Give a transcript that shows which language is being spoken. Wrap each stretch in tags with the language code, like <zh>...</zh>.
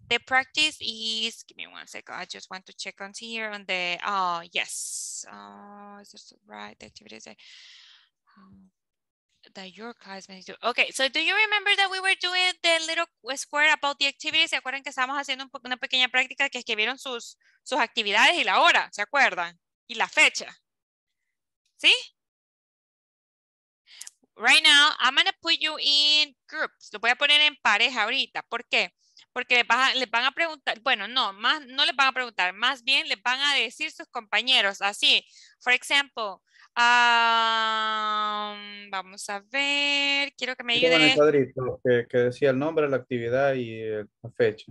<en>The practice is, give me one second. I just want to check on here on the, oh, yes. Oh, is this right? The activity is there. that your classmates do. Okay, so do you remember that we were doing the little square about the activities?</en> <es>¿Se acuerdan que estábamos haciendo una pequeña práctica que escribieron sus actividades y la hora? ¿Se acuerdan? Y la fecha. ¿Sí?</es> <en>Right now, I'm going to put you in groups.</en> <es>Lo voy a poner en pareja ahorita. ¿Por qué? Porque les van a preguntar, bueno, no, más, no les van a preguntar, más bien les van a decir sus compañeros, así.</es> <en>For example,</en> <es>vamos a ver, quiero que me ayude. En el cuadrito que decía el nombre, la actividad y la fecha.</es>